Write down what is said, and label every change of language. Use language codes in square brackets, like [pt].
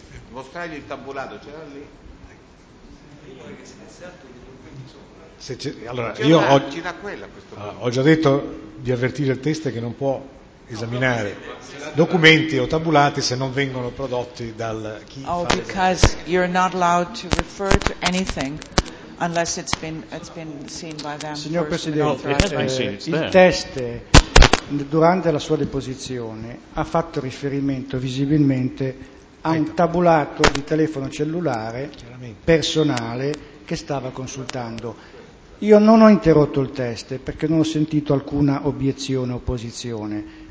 [it] Mostragli il tabulato, c'era lì. Se c'è, allora, io ho già detto di avvertire il teste che non può esaminare documenti o tabulati se non vengono prodotti dal chi fa. [en] Oh, because you're not allowed to refer to anything unless it's been seen by them. [it] Signor Presidente, il teste durante la sua deposizione ha fatto riferimento visibilmente a un tabulato di telefono cellulare personale che stava consultando. Io non ho interrotto il test perché non ho sentito alcuna obiezione o opposizione.